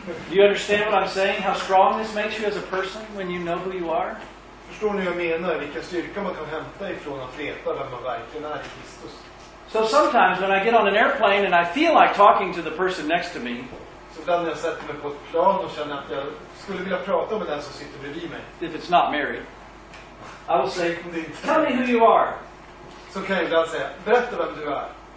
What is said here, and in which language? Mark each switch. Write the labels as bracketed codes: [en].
[en] Do you understand what I'm saying? How strong this makes you as a person when you know who you are? [sv] Förstår ni vad jag menar? Vilken styrka man kan hämta ifrån att veta vem man verkligen är i Kristus. [en] So sometimes when I get on an airplane and I feel like talking to the person next to me. [sv] Så ibland när jag sätter mig på ett plan och känner att jag skulle vilja prata med den som sitter bredvid mig. [en] If it's not Mary. I will say, tell me who you are. [sv] Så kan jag säga, berätta vem du är.